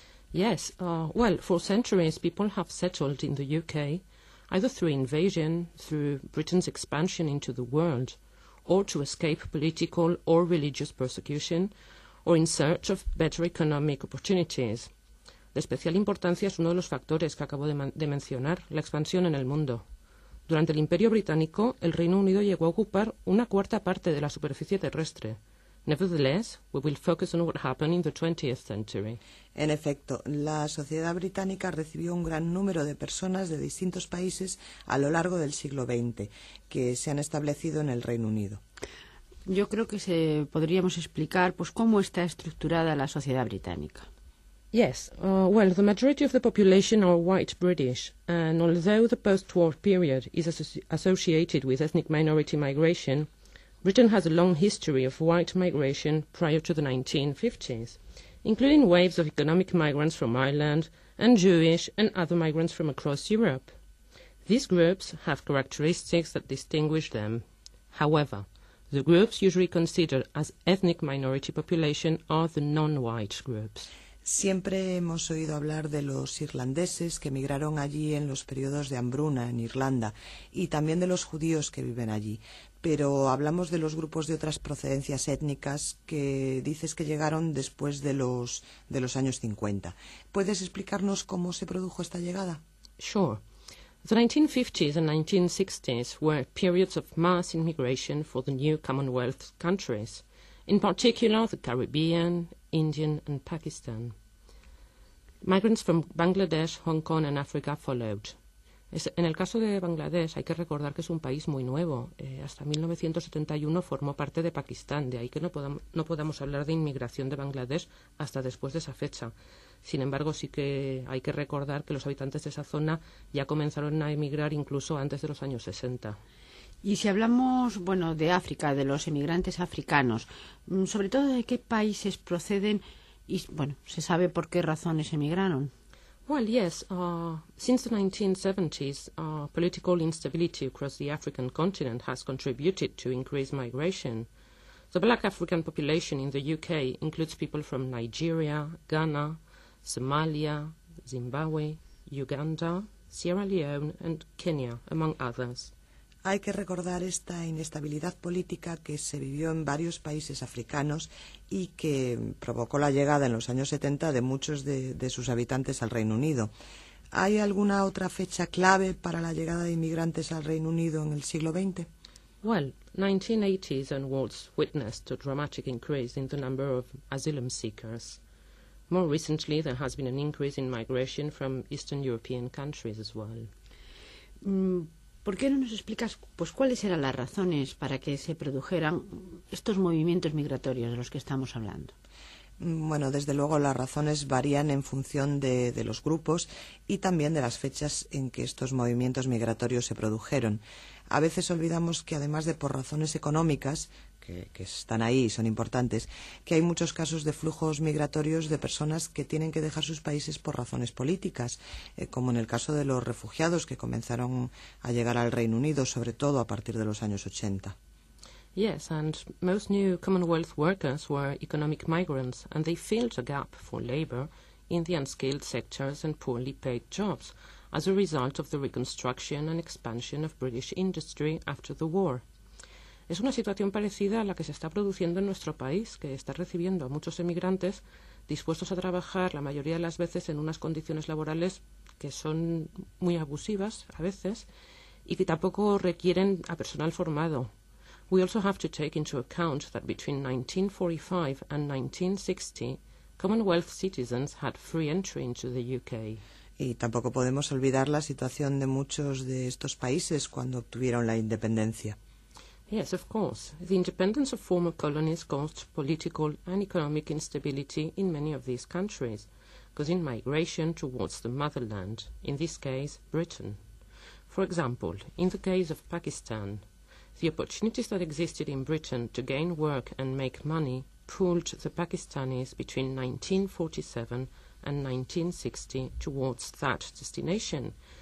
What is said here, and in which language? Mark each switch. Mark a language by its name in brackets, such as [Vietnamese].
[English] Yes, well, for centuries people have settled in the UK either through invasion, through Britain's expansion into the world, or to escape political or religious persecution, or in search of better economic opportunities. [Spanish] De especial importancia es uno de los factores que acabo de mencionar, la expansión en el mundo. Durante el Imperio Británico, el Reino Unido llegó a ocupar una cuarta parte de la superficie terrestre. [English] Nevertheless, we will focus on what happened in the 20th century. [Spanish] En efecto, la sociedad británica recibió un gran número de personas de distintos países a lo largo del siglo XX que se han establecido en el Reino Unido. Yo creo que podríamos explicar pues cómo está estructurada la sociedad británica. [English] Yes, well, the majority of the population are white British, and although the post-war period is associated with ethnic minority migration, Britain has a long history of white migration prior to the 1950s, including waves of economic migrants from Ireland and Jewish and other migrants from across Europe. These groups have characteristics that distinguish them. However, the groups usually considered as ethnic minority population are the non-white groups. [Spanish] Siempre hemos oído hablar de los irlandeses que emigraron allí en los periodos de hambruna en Irlanda y también de los judíos que viven allí. Pero hablamos de los grupos de otras procedencias étnicas que dices que llegaron después de los años 50. ¿Puedes explicarnos cómo se produjo esta llegada? [English] Sure. The 1950s and 1960s were periods of mass immigration for the new Commonwealth countries, in particular the Caribbean, Indian and Pakistan. Migrants from Bangladesh, Hong Kong and Africa followed. [Spanish] En el caso de Bangladesh hay que recordar que es un país muy nuevo. Hasta 1971 formó parte de Pakistán, de ahí que no podamos hablar de inmigración de Bangladesh hasta después de esa fecha. Sin embargo, sí que hay que recordar que los habitantes de esa zona ya comenzaron a emigrar incluso antes de los años 60. Y si hablamos, bueno, de África, de los emigrantes africanos, sobre todo de qué países proceden y, bueno, ¿se sabe por qué razones emigraron? [English] Well, yes. Since the 1970s, political instability across the African continent has contributed to increased migration. The black African population in the UK includes people from Nigeria, Ghana, Somalia, Zimbabwe, Uganda, Sierra Leone and Kenya, among others. [Spanish] Hay que recordar esta inestabilidad política que se vivió en varios países africanos y que provocó la llegada en los años 70 de muchos de sus habitantes al Reino Unido. ¿Hay alguna otra fecha clave para la llegada de inmigrantes al Reino Unido en el siglo XX? [English] Well, 1980s onwards witnessed a dramatic increase in the number of asylum seekers. More recently, there has been an increase in migration from Eastern European countries as well. [Spanish] ¿Por qué no nos explicas, pues, cuáles eran las razones para que se produjeran estos movimientos migratorios de los que estamos hablando? Bueno, desde luego las razones varían en función de los grupos y también de las fechas en que estos movimientos migratorios se produjeron. A veces olvidamos que además de por razones económicas, que están ahí y son importantes, que hay muchos casos de flujos migratorios de personas que tienen que dejar sus países por razones políticas, como en el caso de los refugiados que comenzaron a llegar al Reino Unido, sobre todo a partir de los años 80. [English] Yes, and most new Commonwealth workers were economic migrants, and they filled a gap for labor in the unskilled sectors and poorly paid jobs as a result of the reconstruction and expansion of British industry after the war. [Spanish] Es una situación parecida a la que se está produciendo en nuestro país, que está recibiendo a muchos emigrantes dispuestos a trabajar la mayoría de las veces en unas condiciones laborales que son muy abusivas a veces y que tampoco requieren a personal formado. [English] We also have to take into account that between 1945 and 1960, Commonwealth citizens had free entry into the UK. [Spanish] Y tampoco podemos olvidar la situación de muchos de estos países cuando obtuvieron la independencia. [English] Yes, of course. The independence of former colonies caused political and economic instability in many of these countries, causing migration towards the motherland, in this case, Britain. For example, in the case of Pakistan, the opportunities that existed in Britain to gain work and make money pulled the Pakistanis between 1947 and 1960 towards that destination.